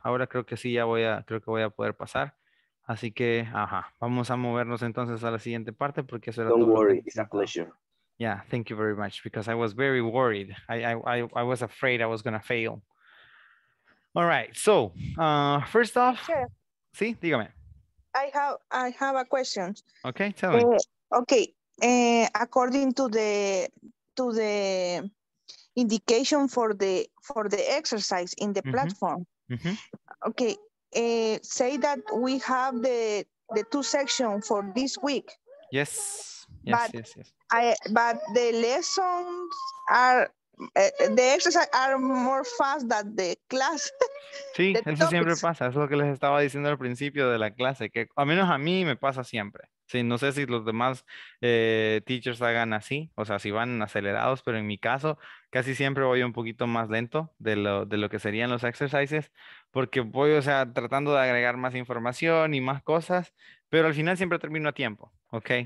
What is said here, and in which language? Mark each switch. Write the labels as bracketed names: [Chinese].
[Spanish] Ahora creo que sí, ya voy a, creo que voy a poder pasar. Así que, ajá, vamos a movernos entonces a la siguiente parte porque eso era [English] todo. Don't worry, it's a pleasure. Yeah, thank you very much because I was very worried. I was afraid I was going to fail. All right. So, first off, sure. [Spanish] Sí, dígame. [English] I have a question. Okay, tell me. Okay. According to the indication for the exercise in the mm-hmm. platform. Mm-hmm. Okay. Say that we have the two sections for this week. Yes. But the lessons are, the exercises are more fast than the class. [Spanish] Sí, the eso topics. Siempre pasa. Es lo que les estaba diciendo al principio de la clase, que al menos a mí me pasa siempre. Sí, no sé si los demás teachers hagan así, o sea, si van acelerados, pero en mi caso casi siempre voy un poquito más lento de lo que serían los exercises, porque voy, o sea, tratando de agregar más información y más cosas, pero al final siempre termino a tiempo, ¿ok?